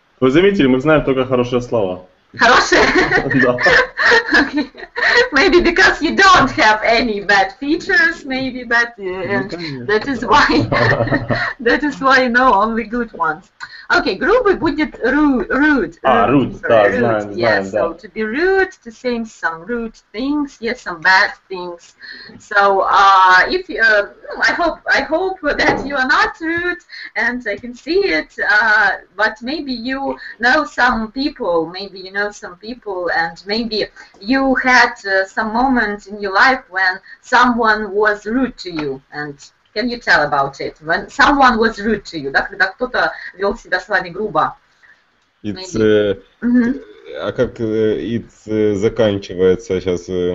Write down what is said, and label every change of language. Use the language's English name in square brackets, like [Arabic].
[Russian] Вы заметили, мы знаем только хорошие слова. Хорошие? Да. [English] Okay. Maybe because you don't have any bad features, maybe, but that is why you know only good ones. [Russian] Okay, грубый будет rude. Rude, знаем. [English] So to be rude, to say some rude things, yes, some bad things. So if you, I hope that you are not rude, and I can see it. But maybe you know some people, and maybe you had some moment in your life when someone was rude to you, and can you tell about it? When someone was rude to you, [Russian] да, когда кто-то вел себя с вами грубо. [English] It's, [Russian] а как it заканчивается сейчас?